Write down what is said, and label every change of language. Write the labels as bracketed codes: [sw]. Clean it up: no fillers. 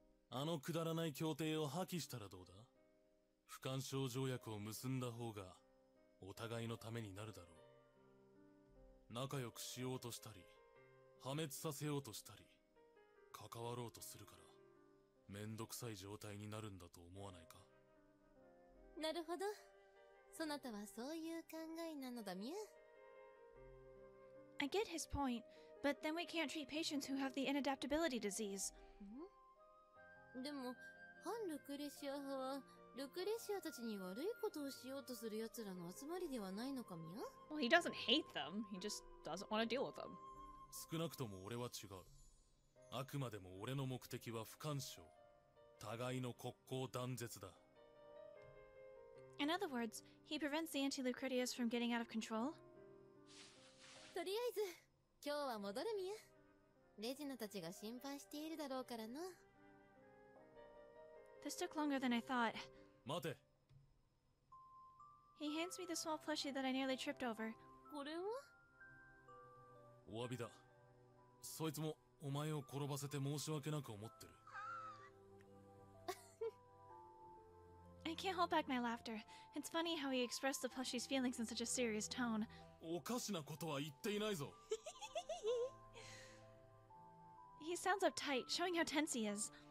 [ja] あのくだらない協定を破棄したらどうだ。不干渉条約を結んだ方がお互いのためになるだろう。仲良くしようとしたり破滅させようとしたり関わろうとするから面倒くさい状態になるんだと思わないか。なるほど、そなたはそういう考えなのだミュ。 [en] I get his point, but then we can't treat patients who have the inadaptability disease. [ja] でも、反ルクレシア派はルクレシアたちに悪いことをしようとする奴らの集まりではないのかミュ。 [en] Well, he doesn't hate them. He just doesn't want to deal with them. [ja] 少なくとも俺は違う。あくまでも俺の目的は不干渉、互いの国交断絶だ。 [en] In other words, he prevents the anti-Lucretius from getting out of control. [ja] とりあえず、今日は戻るミュ。レジナたちが心配しているだろうからな。 [en] This took longer than I thought. [ja] 待て。 [en] He hands me the small plushie that I nearly tripped over. [ja] これは？お詫びだ。そいつも。お前を転ばせて申し訳なく思ってる。 [en] I can't hold back my laughter. It's funny how he expressed the plushie's feelings in such a serious tone. [ja] おかしなことは言っていないぞ。 [en] He sounds uptight, showing how tense he is.